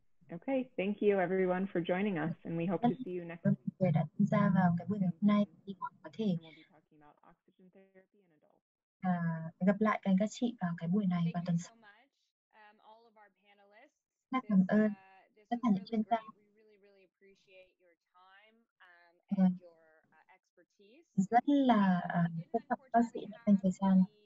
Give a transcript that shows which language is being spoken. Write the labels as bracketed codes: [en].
[en] Okay, thank you everyone for joining us, and we hope to see you next week. We'll be talking about oxygen therapy in adults. [vi] Gặp lại các anh các chị vào cái buổi này vào tuần sau. [en] Thank you so much, all of our panelists. [vi] Rất cảm ơn tất cả những chuyên gia. [en] We really, really appreciate your time and your expertise. [vi] Rất là tất cả bác sĩ đã dành thời gian.